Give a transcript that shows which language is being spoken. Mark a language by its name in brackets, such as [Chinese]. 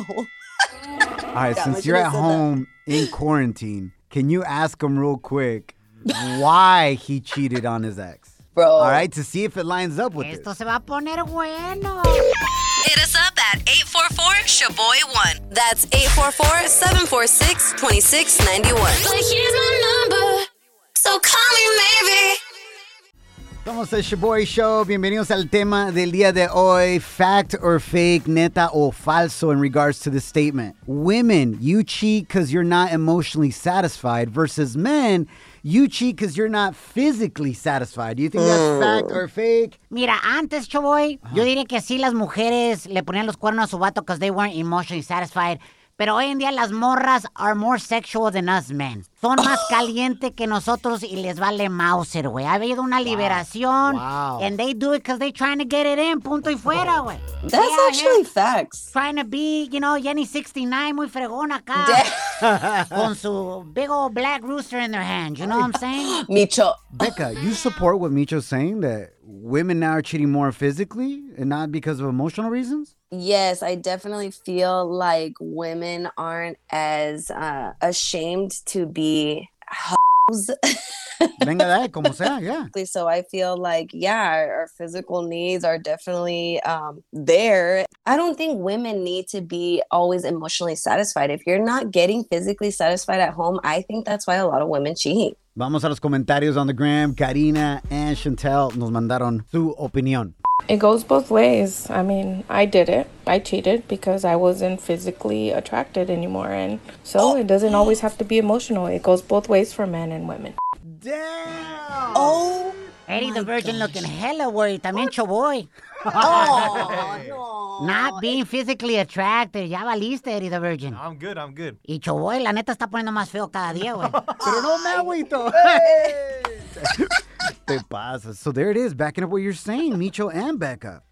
[English] All right, since you're at home in quarantine, can you ask him real quick why he cheated on his ex? Bro. All right, to see if it lines up with [Spanish] this. Esto se va a poner bueno. [English] Hit us up at 844-SHABOY1. That's 844-746-2691. But here's my number, so call me maybe. [Spanish] ¿Cómo está el Shoboy Show? Bienvenidos al tema del día de hoy. [English] Fact or fake, [Spanish] neta o falso [English] in regards to the statement. Women, you cheat because you're not emotionally satisfied versus men, you cheat because you're not physically satisfied. Do you think that's fact or fake? [Spanish] Mira, antes, Shoboy, yo diría que sí, las mujeres le ponían los cuernos a su vato [English] because they weren't emotionally satisfied. [Spanish] Pero hoy en día las morras [English] are more sexual than us men. [Spanish] Son más caliente que nosotros y les vale Mauser, güey. Ha habido una liberación. [English] Wow. And they do it because they're trying to get it in, [Spanish] punto y fuera, güey. [English] That's actually facts. Trying to be, you know, Jenny 69, [Spanish] muy fregón acá. Con su [English] big old black rooster in their hand, you know what I'm saying? Micho. Becca, you support what Micho's saying, that women now are cheating more physically and not because of emotional reasons? Yes, I definitely feel like women aren't as ashamed to be hoes. [Spanish] Venga, dale, como sea, yeah. [English] So I feel like, yeah, our physical needs are definitely there. I don't think women need to be always emotionally satisfied. If you're not getting physically satisfied at home, I think that's why a lot of women cheat. [Spanish] Vamos a los comentarios [English] on the gram. [Spanish] Karina and Chantel nos mandaron su opinión. [English] It goes both ways. I mean, I did it. I cheated because I wasn't physically attracted anymore. And so it doesn't always have to be emotional. It goes both ways for men and women. Damn! Oh! Eddie the Virgin looking hella worried. [Spanish] También Choboy. [English] Oh, no. Not being physically attracted. [Spanish] Ya valiste, Eddie the Virgin. [English] No, I'm good. [Spanish] Y Choboy, la neta, está poniendo más feo cada día, güey. Pero no me agüito. Te pasa. [English] So there it is, backing up what you're saying, Micho and Becca.